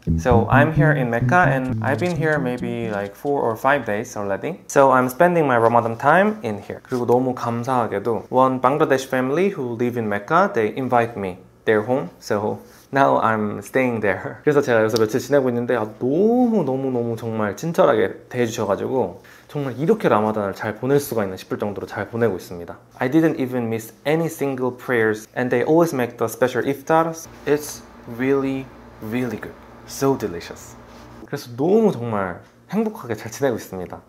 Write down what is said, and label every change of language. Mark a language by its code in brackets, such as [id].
[en] So I'm here in Mecca and I've been here maybe like 4 or 5 days already. So I'm spending my Ramadan time in here. [ko] 그리고 너무 감사하게도 [en] one Bangladesh family who live in Mecca, they invite me their home. So now I'm staying there. [ko] 그래서 제가 여기서 며칠 지내고 있는데 너무 정말 친절하게 대해주셔가지고 정말 이렇게 라마단을 잘 보낼 수가 있나 싶을 정도로 잘 보내고 있습니다. [en] I didn't even miss any single prayers and they always make the special iftar. It's really, really good. So delicious. [ko] 그래서 너무 정말 행복하게 잘 지내고 있습니다.